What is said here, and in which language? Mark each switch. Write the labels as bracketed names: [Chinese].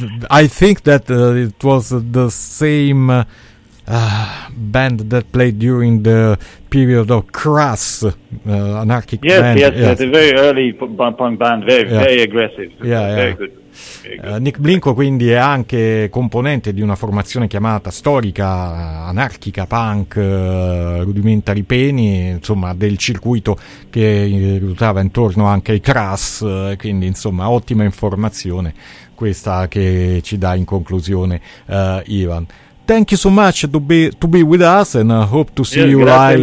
[English] I think that it was the same band that played during the period of Crass, anarchic band. Yes, a very early punk band, very aggressive. Very good. [Italian] Nick Blinko quindi è anche componente di una formazione chiamata storica anarchica punk Rudimentary Penny, insomma del circuito che ruotava intorno anche ai Crass, quindi insomma ottima informazione questa che ci dà in conclusione Ivan. [English] Thank you so much to be with us, and hope to see you live.